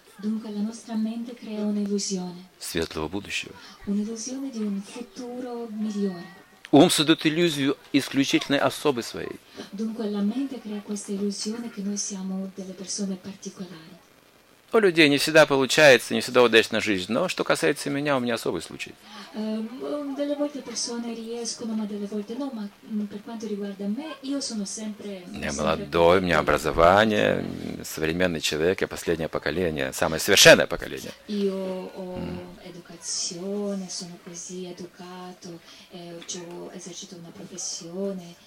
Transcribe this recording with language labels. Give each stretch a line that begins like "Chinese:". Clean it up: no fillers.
Italian: Dunque la nostra mente crea un'illusione.
Russian: Светлого будущего.
Italian: Un'illusione di un futuro migliore.
Russian: Ум создает иллюзию исключительной особы своей.
Italian: Dunque la mente crea questa illusione che noi siamo delle persone particolari.
Russian: У людей не всегда получается, не всегда удачна жизнь, но что касается меня, у меня особый случай.
Italian: Delle volte persone riescono, ma delle volte no, ma per quanto riguarda me, io sono sempre.
Russian: Я молодой, у меня образование, современный человек, я последнее поколение, самое совершенное поколение.
Italian: Io ho educazione, sono così educato, ho esercito una professione.